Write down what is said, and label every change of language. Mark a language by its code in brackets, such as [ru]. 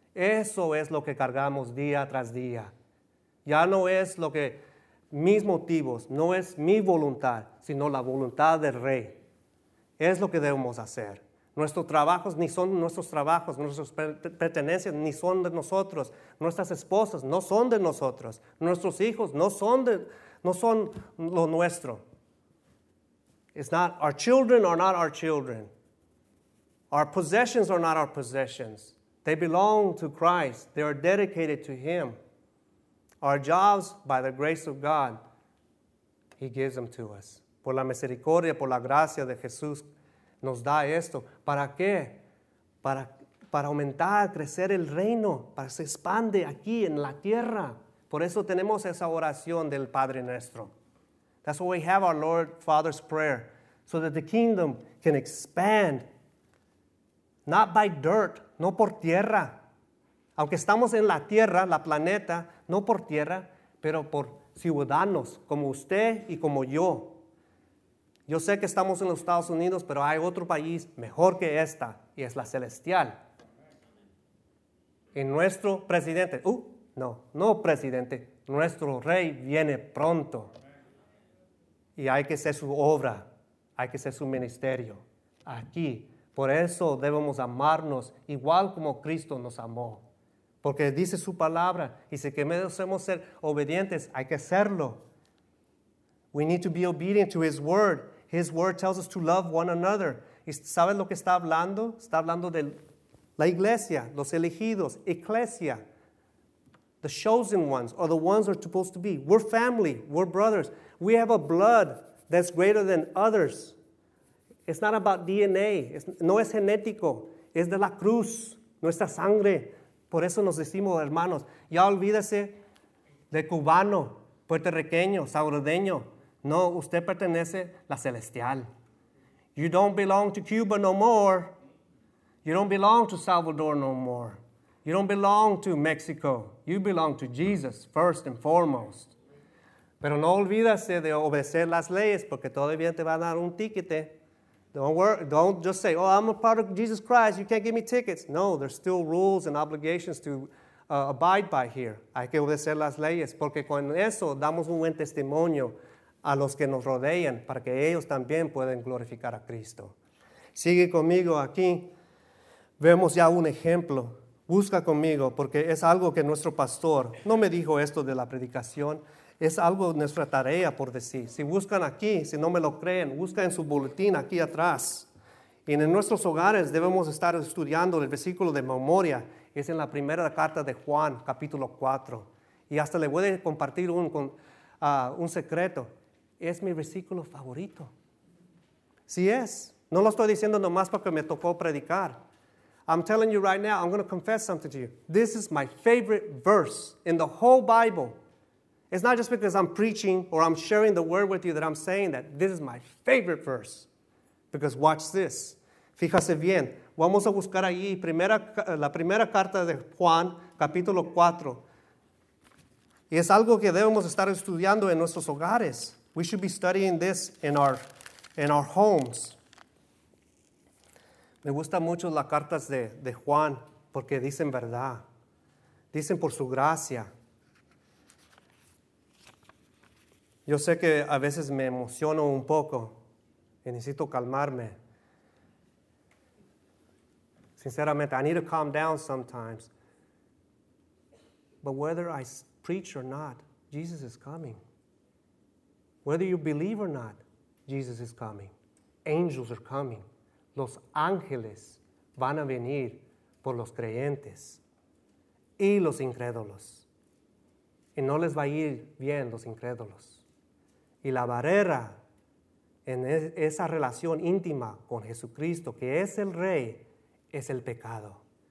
[es] Eso es lo que cargamos día tras día. Ya no es lo que mis motivos, no es mi voluntad, sino la voluntad del Rey. Es lo que debemos hacer. Nuestros trabajos ni son nuestros trabajos, nuestras pertenencias ni son de nosotros. Nuestras esposas no son de nosotros. Nuestros hijos no son lo nuestro. [en] It's not, our children are not our children. Our possessions are not our possessions. They belong to Christ. They are dedicated to Him. Our jobs, by the grace of God, He gives them to us. [es] Por la misericordia, por la gracia de Jesús, nos da esto. ¿Para qué? Para aumentar, crecer el reino, para que se expande aquí en la tierra. Por eso tenemos esa oración del Padre Nuestro. [en] That's why we have our Lord Father's Prayer, so that the kingdom can expand. Not by dirt, [es] no por tierra. Aunque estamos en la tierra, la planeta, no por tierra, pero por ciudadanos, como usted y como yo. Yo sé que estamos en los Estados Unidos, pero hay otro país mejor que esta, y es la celestial. Y nuestro presidente, no presidente, nuestro rey viene pronto. Y hay que ser su obra, hay que ser su ministerio aquí. Por eso debemos amarnos igual como Cristo nos amó. Porque dice su palabra, y si queremos ser obedientes, hay que hacerlo. [en] We need to be obedient to His word. His word tells us to love one another. [es] ¿Sabes lo que está hablando? Está hablando de la iglesia, los elegidos, iglesia. [en] The chosen ones, or the ones are supposed to be. We're family, we're brothers. We have a blood that's greater than others. It's not about DNA. [es] No es genético. Es de la cruz, nuestra sangre. Por eso nos decimos, hermanos, ya olvídese de cubano, puertorriqueño, salvadoreño. No, usted pertenece a la celestial. You don't belong to Cuba no more. You don't belong to Salvador no more. You don't belong to Mexico. You belong to Jesus first and foremost. Pero no olvídese de obedecer las leyes, porque todavía te va a dar un tiquete. [en] Don't just say, oh, I'm a part of Jesus Christ. You can't give me tickets. No, there's still rules and obligations to abide by here. [es] Hay que obedecer las leyes, porque con eso damos un buen testimonio a los que nos rodean, para que ellos también puedan glorificar a Cristo. Sigue conmigo aquí. Vemos ya un ejemplo. Busca conmigo, porque es algo que nuestro pastor no me dijo esto de la predicación. Es algo nuestra tarea por decir. Si buscan aquí, si no me lo creen, busca en su boletín aquí atrás. Y en nuestros hogares debemos estar estudiando el versículo de memoria. Es en la primera carta de Juan, capítulo 4. Y hasta le voy a compartir un secreto. Es mi versículo favorito. Sí es. No lo estoy diciendo nomás porque me tocó predicar. [en] I'm telling you right now, I'm going to confess something to you. This is my favorite verse in the whole Bible. It's not just because I'm preaching or I'm sharing the word with you that I'm saying that. This is my favorite verse. Because watch this. [es] Fíjase bien. Vamos a buscar ahí la primera carta de Juan, capítulo 4. Y es algo que debemos estar estudiando en nuestros hogares. [en] We should be studying this in our homes. [es] Me gusta mucho las cartas de Juan porque dicen verdad. Dicen por su gracia. Yo sé que a veces me emociono un poco y necesito calmarme. Sinceramente, [en] I need to calm down sometimes. But whether I preach or not, Jesus is coming. Whether you believe or not, Jesus is coming. Angels are coming. [es] Los ángeles van a venir por los creyentes y los incrédulos. Y no les va a ir bien los incrédulos. Y la barrera en esa relación íntima con Jesucristo, que es el Rey, es el pecado.